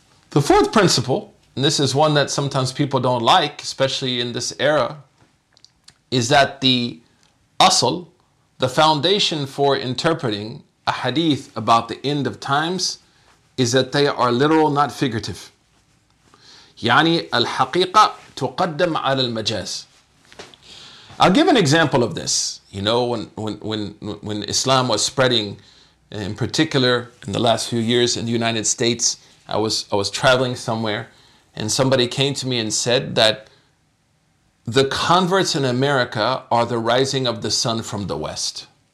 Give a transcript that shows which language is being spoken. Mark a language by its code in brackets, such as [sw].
[en] The fourth principle, and this is one that sometimes people don't like, especially in this era, is that the asl, the foundation for interpreting a hadith about the end of times, is that they are literal, not figurative. [ar] يعني الحقيقة تقدم على المجاز. [en] I'll give an example of this. You know, when Islam was spreading, in particular in the last few years in the United States, I was traveling somewhere, and somebody came to me and said that the converts in America are the rising of the sun from the west.